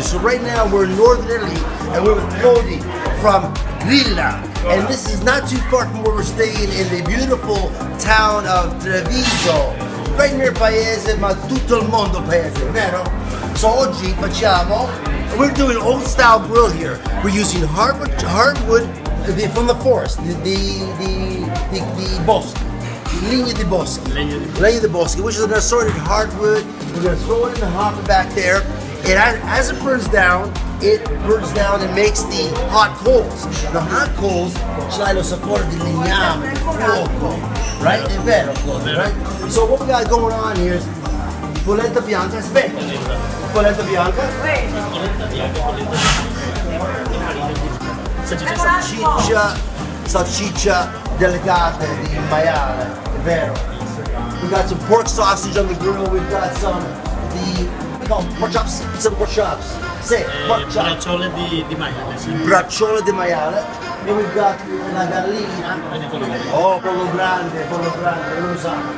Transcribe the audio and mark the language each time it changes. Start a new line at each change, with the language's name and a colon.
English: So right now we're in Northern Italy and we're with Cody from Grillo. And this is not too far from where we're staying in the beautiful town of Treviso. Right near
Italian: Paese, ma tutto il mondo Paese, vero?
English: So
Italian: oggi facciamo,
English: we're doing old style grill here. We're using hardwood from the forest, the bosque.
Italian: Legno di bosque,
English: which is an assorted hardwood. We're gonna throw it in the hopper back there. And as it burns down and makes the hot coals. The hot coals,
Italian: c'è lo sapore di legname, fuoco, right? È vero, right? So what we got going on here is polenta bianca, aspetta. Polenta bianca. Salsiccia, salsiccia delicata di maiale.
English: We got some pork sausage on the grill. We've got some pork chops. Say pork chops.
Italian: Bracciole di maiale.
English: And we've got
Italian: la gallina. Oh, pollo grande. Non so.